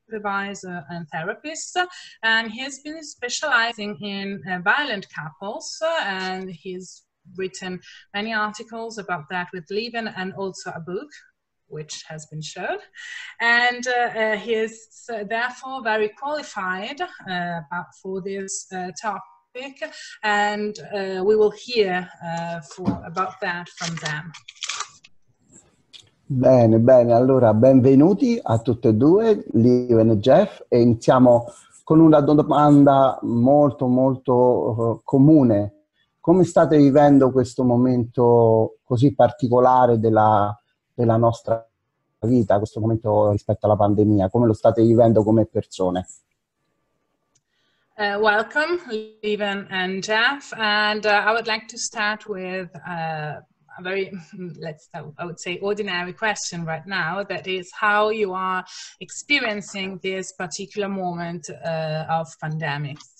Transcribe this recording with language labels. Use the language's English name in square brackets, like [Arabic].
[English] supervisor and therapist, and he's been specializing in violent couples, and he's written many articles about that with Levin, and also a book which has been shown, and he is therefore very qualified for this topic, and we will hear about that from them. [Italian] Bene, bene, allora benvenuti a tutte e due, Levin e Jeff, e iniziamo con una domanda molto molto comune. Come state vivendo questo momento così particolare della nostra vita, questo momento rispetto alla pandemia? Come lo state vivendo come persone? [English] Welcome, Levin and Jeff, and I would like to start with a very, I would say, ordinary question right now, that is how you are experiencing this particular moment of pandemic.